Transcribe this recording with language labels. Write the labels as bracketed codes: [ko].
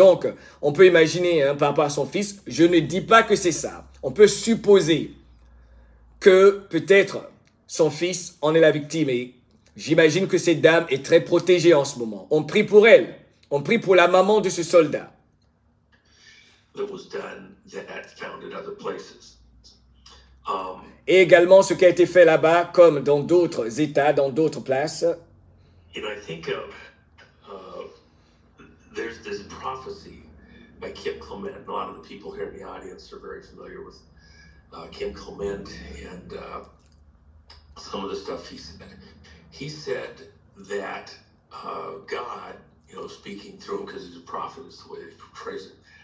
[fr] Donc, on peut imaginer, hein, par rapport à son fils, je ne dis pas que c'est ça. On peut supposer que peut-être son fils en est la victime. Et j'imagine que cette dame est très protégée en ce moment. On prie pour elle. On prie pour la maman de ce soldat. [en] That was done, that found in other places. [fr] Et également ce qui a été fait là-bas, comme dans d'autres états, dans d'autres places. [en] You know, I think of, there's this prophecy by Kim Clement. A lot of the people here in the audience are very familiar with Kim Clement and some of the stuff he said. He said that God, you know, speaking through him, because he's a prophet, is the way he portrays it.